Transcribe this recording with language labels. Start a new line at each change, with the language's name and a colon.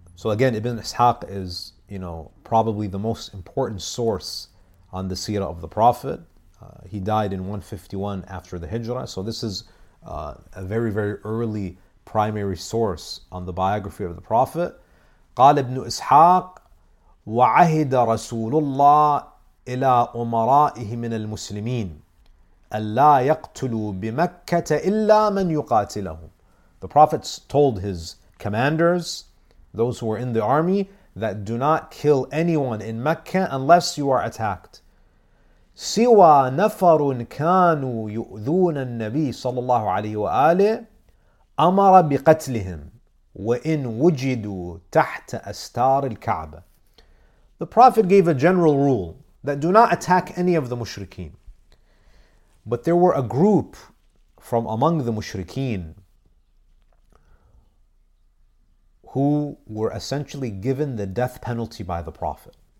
English: So again, Ibn Ishaq is, you know, probably the most important source on the seerah of the Prophet. He died in 151 after the Hijrah. So this is a very, very early primary source on the biography of the Prophet.
Arabic: قال ابن إسحاق وعهد رسول الله إلى أمرائه من المسلمين ألا يقتلوا بمكة إلا من يقاتلهم.
English: The Prophet told his commanders, those who were in the army, that do not kill anyone in Mecca unless you are attacked.
Arabic: سوى نفر كانوا يؤذون النبي صلى الله عليه وآله أمر بقتلهم وإن وجدوا تحت أستار الكعبة.
English: The Prophet gave a general rule that do not attack any of the mushrikeen. But there were a group from among the mushrikeen who were essentially given the death penalty by the Prophet.